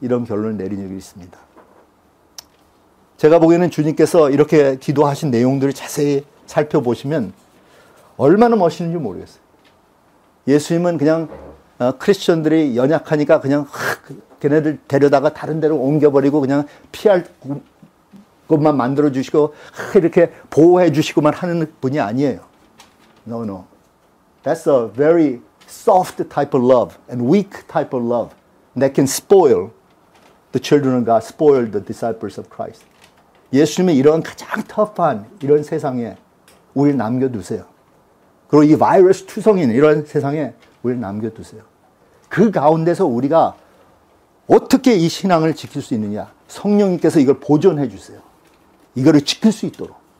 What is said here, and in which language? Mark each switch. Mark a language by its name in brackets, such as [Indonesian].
[Korean] 이런 결론을 내린 적이 있습니다. 제가 보기에는 주님께서 이렇게 기도하신 내용들을 자세히 살펴보시면 얼마나 멋있는지 모르겠어요. 예수님은 그냥 크리스천들이 연약하니까 그냥 걔네들 데려다가 다른 데로 옮겨버리고 그냥 피할 곳만 만들어주시고 이렇게 보호해 주시고만 하는 분이 아니에요. [English] No, no. That's a very soft type of love and weak type of love that can spoil the children of God, spoil the disciples of Christ. [Korean] 예수님은 이런 가장 터프한 이런 세상에 우리를 남겨두세요. 그리고 이 바이러스 투성인 이런 세상에 우리를 남겨두세요. 그 가운데서 우리가 어떻게 이 신앙을 지킬 수 있느냐. 성령님께서 이걸 보존해 주세요. 이거를 지킬 수 있도록.